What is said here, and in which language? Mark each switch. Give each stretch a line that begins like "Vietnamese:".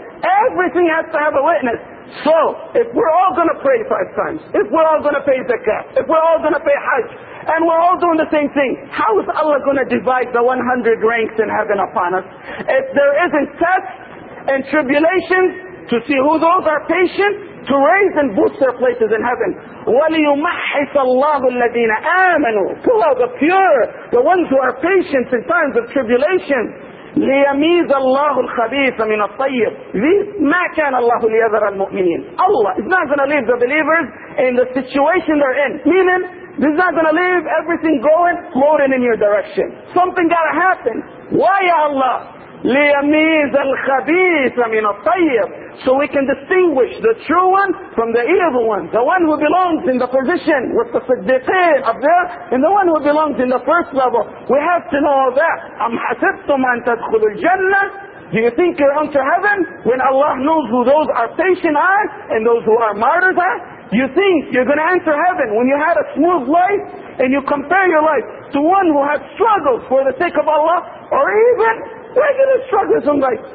English: Everything has to have a witness. So, if we're all going to pray five times, if we're all going to pay zakat, if we're all going to pay hajj, and we're all doing the same thing, how is Allah going to divide the 100 ranks in heaven upon us? If there isn't tests and tribulations to see who those are patient to raise and boost their places in heaven.
Arabic: وَلِيُمَحِّصَ اللَّهُ الَّذِينَ آمَنُوا.
English: Pull out the pure, the ones who are patient in times of tribulation.
Arabic: ليميز الله الخبيث من الطيب.
English: This
Arabic: ما كان الله ليذر المؤمنين.
English: Allah is not going to leave the believers in the situation they're in. Meaning, this is not going to leave everything going, floating in your direction. Something got to happen. Why, ya Allah?
Arabic: ليميز الخبيث من الطيب.
English: So we can distinguish the true one from the evil one. The one who belongs in the position with the siddiqin up there, and the one who belongs in the first level. We have to know all that.
Arabic: أم حسبتم أن تدخلوا الجنة.
English: Do you think you're unto heaven when Allah knows who those are patient are and those who are martyrs are? You think you're going to enter heaven when you had a smooth life and you compare your life to one who has struggles for the sake of Allah, or even regular struggles in life?